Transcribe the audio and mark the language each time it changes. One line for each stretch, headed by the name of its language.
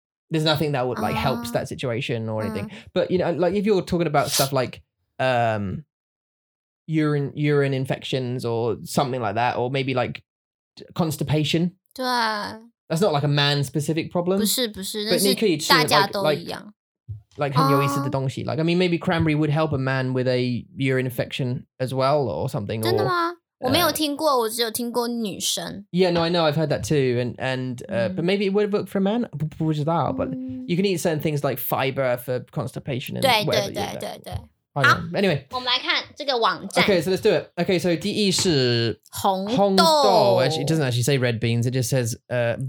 English: There's nothing that would like helps that situation or anything. But, you know, like if you're talking about stuff like urine infections or something like that, or maybe like constipation.
Chinese: 对.
English: That's not like a man-specific problem.
Chinese: 不是,那是大家都一样。
English: Like
Chinese: 很有意思的东西
English: like I mean maybe cranberry would help a man with a urine infection as well or something
Chinese: 真的吗 我没有听过 我只有听过女生
English: yeah no I know I've heard that too and but maybe it would work for a man
Chinese: 不知道
English: but you can eat certain things like fiber for constipation and
Chinese: 对,
English: whatever
Chinese: 对对对对
English: anyway
Chinese: 我们来看这个网站
English: okay so let's do it okay so
Chinese: 第一是红豆
English: actually, it doesn't actually say red beans it just says beans